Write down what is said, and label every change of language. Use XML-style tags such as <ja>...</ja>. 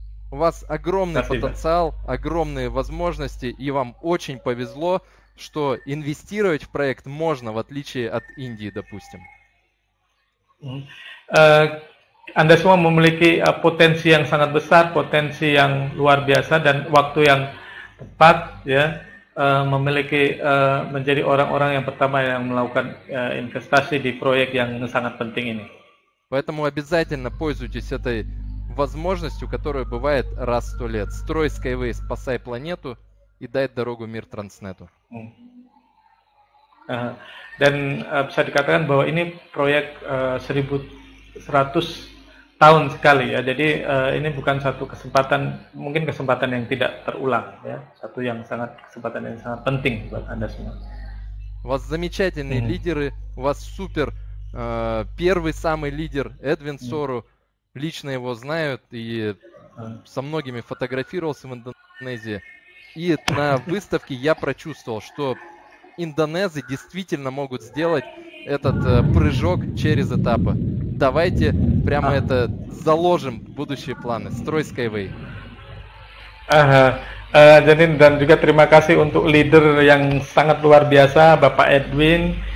<ru>У вас огромный потенциал, огромные возможности, и вам очень повезло, что инвестировать в проект можно, в отличие от Индии, допустим.</ru> <id>Anda semua memiliki potensi yang sangat besar, potensi yang luar biasa, dan waktu yang tepat, ya, memiliki menjadi orang-orang yang pertama yang melakukan investasi di proyek yang sangat penting ini.</id> <ru>Поэтому обязательно пользуйтесь этой возможностью, которая бывает раз в 100 лет. Строй Skyway, спасай планету и дай дорогу мир Транснету.</ru> <id>Dan bisa dikatakan bahwa ini proyek 1100 tahun sekali, ya. Jadi ini bukan satu kesempatan, mungkin kesempatan yang tidak terulang, ya. Satu yang sangat, kesempatan yang sangat penting buat Anda semua.</id> <ru>Вас замечательные лидеры, у вас супер. Первый самый лидер Эдвин Сору, лично его знают и со многими фотографировался в Индонезии. И на выставке я прочувствовал, что индонезы действительно могут сделать этот прыжок через этапы. Давайте прямо это заложим в будущие планы. Строй Skyway.</ru> <id>Jadi dan juga terima kasih untuk</id> <ru>лидер</ru> <id>yang sangat luar biasa, Bapak Edwin.</id>